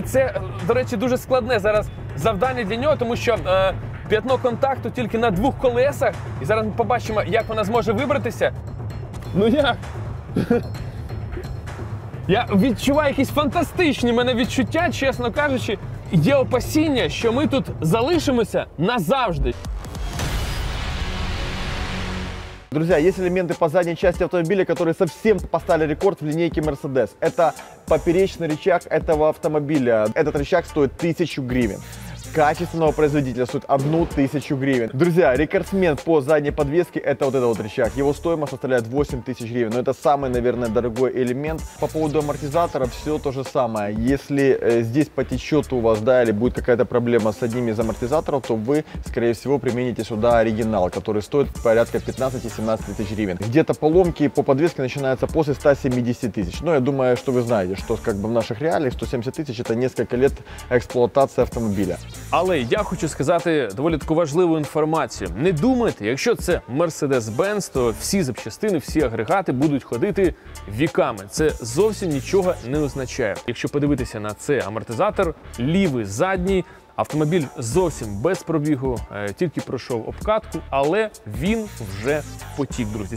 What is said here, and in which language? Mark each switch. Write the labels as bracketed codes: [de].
[uk] Це, до речі, дуже складне зараз завдання для нього, тому що п'ятно контакту тільки на двох колесах. І зараз ми побачимо, як вона зможе вибратися. Ну як? Я відчуваю якісь фантастичні мене відчуття, чесно кажучи. Є опасіння, що ми тут залишимося назавжди. [ru] Друзья, есть элементы по задней части автомобиля, которые совсем поставили рекорд в линейке Mercedes. Это поперечный рычаг этого автомобиля. Этот рычаг стоит 1000 гривен. Качественного производителя стоит 1000 гривен. Друзья, рекордсмен по задней подвеске – это вот этот вот рычаг. Его стоимость составляет 8000 гривен. Но это самый, наверное, дорогой элемент. По поводу амортизатора все то же самое. Если здесь потечет у вас, да, или будет какая-то проблема с одним из амортизаторов, то вы, скорее всего, примените сюда оригинал, который стоит порядка 15-17 тысяч гривен. Где-то поломки по подвеске начинаются после 170 тысяч. Но я думаю, что вы знаете, что как бы в наших реалиях 170 тысяч – это несколько лет эксплуатации автомобиля. [uk] Але я хочу сказати доволі таку важливу інформацію. Не думайте, якщо це Mercedes-Benz, то всі запчастини, всі агрегати будуть ходити віками. Це зовсім нічого не означає. Якщо подивитися на цей амортизатор, лівий, задній, автомобіль зовсім без пробігу, тільки пройшов обкатку, але він вже потік, друзі.